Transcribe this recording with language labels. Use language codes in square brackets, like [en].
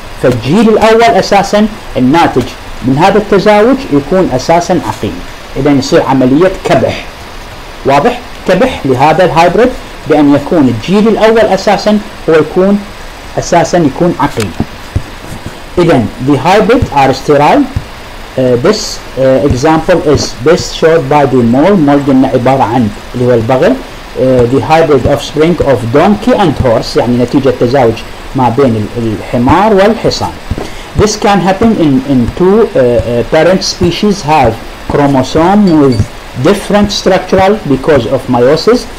[ar] فالجيل الاول اساسا الناتج من هذا التزاوج يكون اساسا عقيم، اذا يصير عمليه كبح، واضح كبح لهذا الهايبريد، بان يكون الجيل الاول اساسا هو يكون اساسا يكون عقيم. اذا [en] the hybrid are sterile. This example is best shown by the mole. [ar] Mole قلنا عباره عن اللي هو البغل. [en] The hybrid offspring of donkey and horse، [ar] يعني نتيجة تزاوج ما بين الحمار والحصان. [en] This can happen in two parent species have chromosome with different structural because of meiosis.